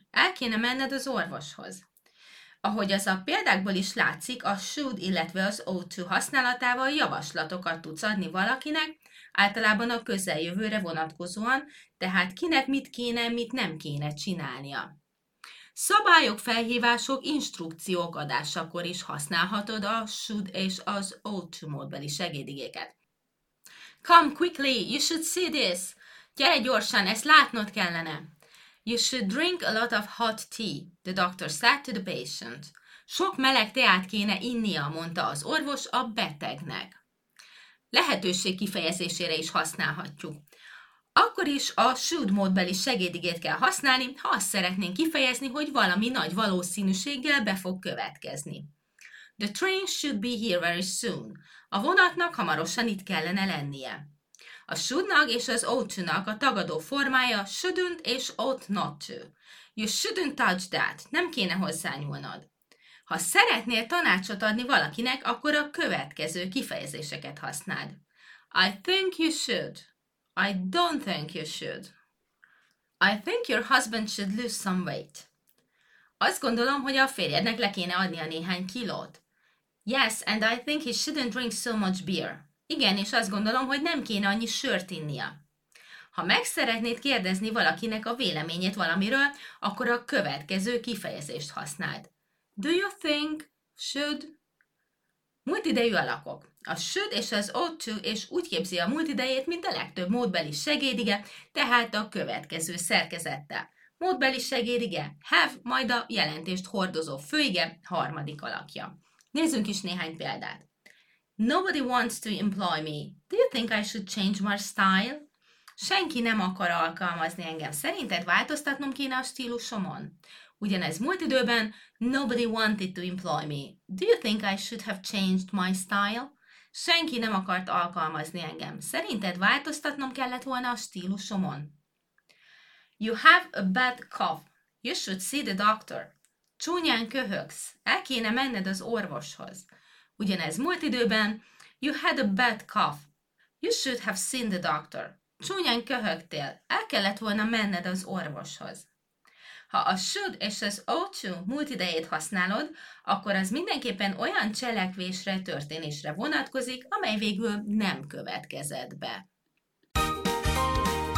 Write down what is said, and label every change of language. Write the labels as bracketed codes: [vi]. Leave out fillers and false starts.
[hu] El kéne menned az orvoshoz. Ahogy az a példákból is látszik, a should, illetve az ought to használatával javaslatokat tudsz adni valakinek, általában a közeljövőre vonatkozóan, tehát kinek mit kéne, mit nem kéne csinálnia. Szabályok, felhívások, instrukciók adásakor is használhatod a should és az ought to módbeli segédigéket. [en] Come quickly, you should see this. [hu] Gyere gyorsan, ezt látnod kellene. [en] You should drink a lot of hot tea, the doctor said to the patient. [hu] Sok meleg teát kéne innia, mondta az orvos a betegnek. Lehetőség kifejezésére is használhatjuk. Akkor is a should módbeli segédigét kell használni, ha azt szeretnénk kifejezni, hogy valami nagy valószínűséggel be fog következni. [en] The train should be here very soon. [hu] A vonatnak hamarosan itt kellene lennie. A shouldnak és az ought to-nak a tagadó formája shouldn't és ought not to. [en] You shouldn't touch that. [hu] Nem kéne hozzányúlnod. Ha szeretnél tanácsot adni valakinek, akkor a következő kifejezéseket használd. [en] I think you should. I don't think you should. I think your husband should lose some weight. [hu] Azt gondolom, hogy a férjednek le kéne adni a néhány kilót. [en] Yes, and I think he shouldn't drink so much beer. [hu] Igen, és azt gondolom, hogy nem kéne annyi sört innia. Ha meg szeretnéd kérdezni valakinek a véleményét valamiről, akkor a következő kifejezést használd. [en] Do you think, should? [hu] Múltidejű alakok. A should és az ought to, és úgy képzi a múltidejét, mint a legtöbb módbeli segédige, tehát a következő szerkezette. Módbeli segédige, have, majd a jelentést hordozó főige, harmadik alakja. Nézzünk is néhány példát. [en] Nobody wants to employ me. Do you think I should change my style? [hu] Senki nem akar alkalmazni engem. Szerinted változtatnom kéne a stílusomon? Ugyanez múlt időben. [en] Nobody wanted to employ me. Do you think I should have changed my style? [hu] Senki nem akart alkalmazni engem. Szerinted változtatnom kellett volna a stílusomon? [en] You have a bad cough. You should see the doctor. [hu] Csúnyán köhögsz. El kéne menned az orvoshoz. Ugyanez múlt időben, [en] you had a bad cough, you should have seen the doctor. [hu] Csúnyán köhögtél, el kellett volna menned az orvoshoz. Ha a should és az ought to múlt idejét használod, akkor az mindenképpen olyan cselekvésre, történésre vonatkozik, amely végül nem következett be.